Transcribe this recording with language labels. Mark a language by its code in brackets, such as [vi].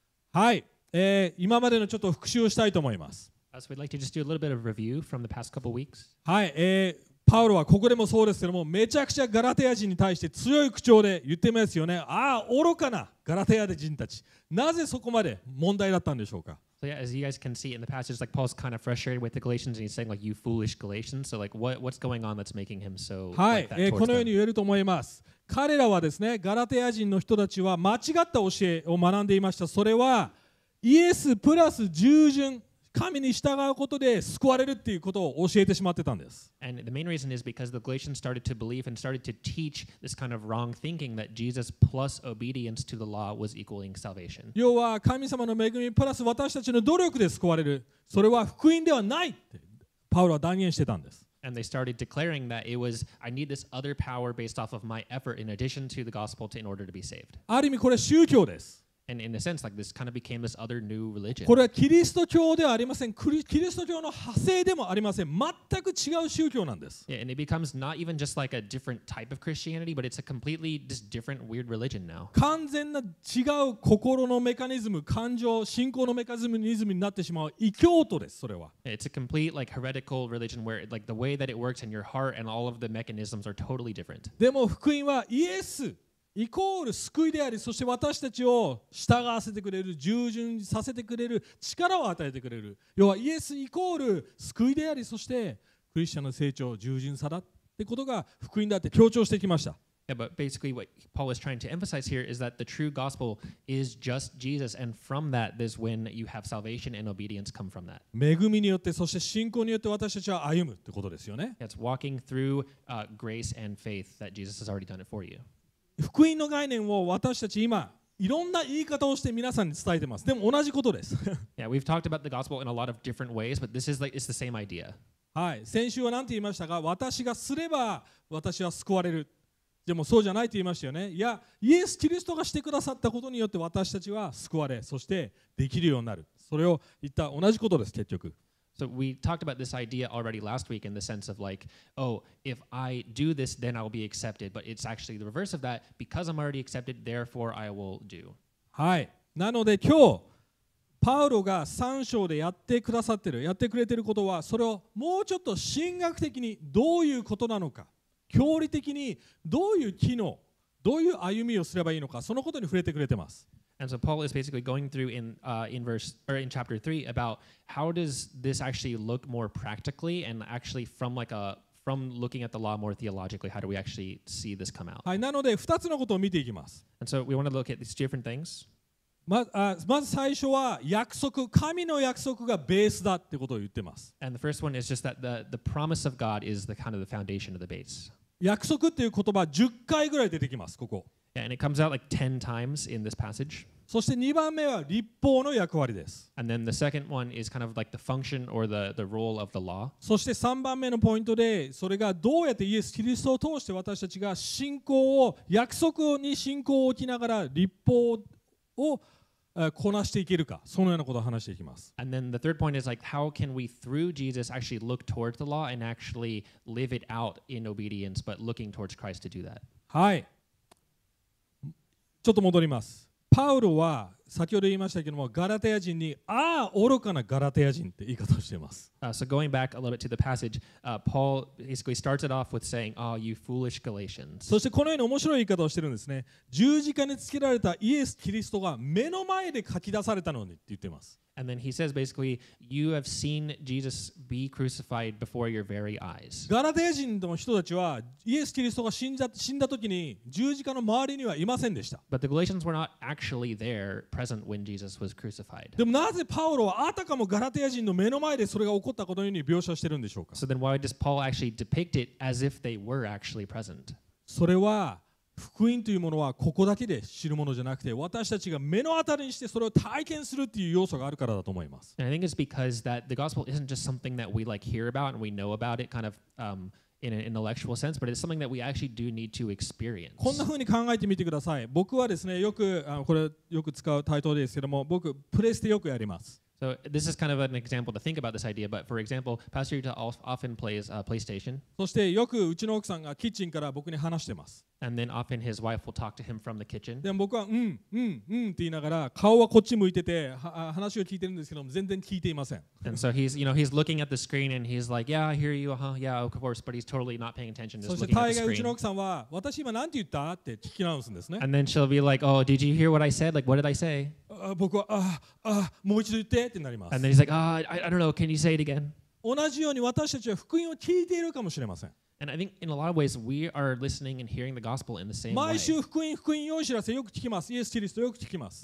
[ja] はい、今までのちょっと復習をしたいと思います。はい、パウロはここでもそうですけども、めちゃくちゃガラテヤ人に対して強い口調で言ってますよね。ああ、愚かなガラテヤ人たち、なぜそこまで問題だったんでしょうか。 [en] So yeah, as you guys can see in the passage, like Paul's kind of frustrated with the Galatians, and he's saying like, "You foolish Galatians." So like, what's going on that's making him so like that towards them? [ja] はい、このように言えると思います。彼らはですね、ガラテヤ人の人たちは間違った教えを学んでいました。それはイエスプラス従順、神に従うことで救われるっていうことを教えてしまってたんです。 [en] And the main reason is because the Galatians started to believe and started to teach this kind of wrong thinking that Jesus plus obedience to the law was equaling salvation. [ja] 要は神様の恵みプラス私たちの努力で救われる。それは福音ではないってパウロは断言してたんです。 [en] And they started declaring that it was, I need this other power based off of my effort in addition to the gospel to, in order to be saved. [ja] ある意味これは宗教です。 [en] And in a sense, like this kind of became this other new religion. [ja] これはキリスト教ではありません。キリスト教の派生でもありません。全く違う宗教なんです。 [en] Yeah, and it becomes not even just like a different type of Christianity, but it's a completely just different weird religion now. [ja] 完全な違う心のメカニズム、感情、信仰のメカニズムになってしまう異教徒です、それは。 [en] It's a complete like heretical religion where like the way that it works in your heart and all of the mechanisms are totally different. [ja] でも福音はイエスイコール救いであり、そして私たちを従わせてくれる、従順させてくれる、力を与えてくれる。要はイエスイコール救いであり、そしてクリスチャンの成長、従順さだってことが福音だって強調してきました。 [en] Yeah, but basically what Paul is trying to emphasize here is that the true gospel is just Jesus, and from that, this when you have salvation and obedience come from that. [ja] 恵みによって、そして信仰によって私たちは歩むってことですよね。 [en] It's walking through grace and faith that Jesus has already done it for you. [ja] 福音の概念を私たち今いろんな言い方をして皆さんに伝えてます。でも同じことです。 [en] Yeah, we've talked about the gospel in a lot of different ways, but this is like, it's the same idea. [ja] はい。先週は何て言いましたか？私がすれば私は救われる。でもそうじゃないと言いましたよね。いや、イエス・キリストがしてくださったことによって私たちは救われ、そしてできるようになる。それを言った同じことです、結局。 [en] So we talked about this idea already last week in the sense of like, oh, if I do this, then I will be accepted. But it's actually the reverse of that. Because I'm already accepted, therefore I will do. [ja] はい。なので今日、パウロが3章でやってくださってる、やってくれてることは、それをもうちょっと神学的にどういうことなのか、教理的にどういう機能、どういう歩みをすればいいのか、そのことに触れてくれてます。 [en] And so Paul is basically going through in chapter 3 about how does this actually look more practically and actually from looking at the law more theologically, how do we actually see this come out? [ja] はい、なので2つのことを見ていきます。 [en] And so we want to look at these different things. [ja] まず最初は約束、神の約束がベースだってことを言ってます。 [en] And the first one is just that the promise of God is the kind of the foundation of the base. [ja] 約束っていう言葉10回ぐらい出てきます、ここ。 [en] And it comes out like 10 times in this passage. [ja] そして2番目は律法の役割です。 [en] And then the second one is kind of like the function or the role of the law. [ja] そして3番目のポイントで、それがどうやってイエス・キリストを通して私たちが信仰を、約束に信仰を置きながら律法をこなしていけるか、そのようなことを話していきます。 [en] And then the third point is like, how can we through Jesus actually look towards the law and actually live it out in obedience, but looking towards Christ to do that? [ja] はい。ちょっと戻ります。パウロは先ほど言いましたけども、ガラテヤ人に、ああ、愚かなガラテヤ人って言い方をしています。 [en] So going back a little bit to the passage, Paul basically started off with saying, ah,、oh, you foolish Galatians. [ja] そしてこのように面白い言い方をしてるんですね。十字架につけられたイエス・キリストが目の前で書き出されたのにって言ってます。 [en] And then he says basically, you have seen Jesus be crucified before your very eyes. [ja] ガラテヤ人の人たちはイエス・キリストが死んだ時に十字架の周りにはいませんでした。 [en] But the Galatians were not actually there present when Jesus was crucified. [ja] でもなぜパウロはあたかもガラテヤ人の目の前でそれが起こったことのように描写してるんでしょうか。 [en] So then why does Paul actually depict it as if they were actually present? [ja] それは福音というものはここだけで知るものじゃなくて、私たちが目の当たりにしてそれを体験するという要素があるからだと思います。 [en] And I think it's because that the gospel isn't just something that we like hear about and we know about it kind of in an intellectual sense, but it's something that we actually do need to experience. [ja] こんな風に考えてみてください。僕はですね、よくこれよく使うタイトルですけども、僕プレステよくやります。 [en] So this is kind of an example to think about this idea. But for example, Pastor Yuta often plays PlayStation. [ja] そしてよくうちの奥さんがキッチンから僕に話してます。 [en] And then often his wife will talk to him from the kitchen. [ja] でも僕はうんうんうんって言いながら顔はこっち向いてて話を聞いてるんですけども全然聞いていません。 [en] And so he's looking at the screen and he's like, yeah, I hear you, huh? Yeah, of course. But he's totally not paying attention. Just looking at the screen. [ja] そして大概うちの奥さんは私今何て言ったって聞き直すんですね。 [en] And then she'll be like, oh, did you hear what I said? Like, what did I say? [ja] 僕はああもう一度言って。 [en] And then he's like, ah,、oh, I don't know. Can you say it again? [ja] 同じように私たちは福音を聞いているかもしれません。 [en] And I think in a lot of ways we are listening and hearing the gospel in the same way. [ja] 毎週福音良い知らせよく聞きます。イエス・キリストよく聞きます。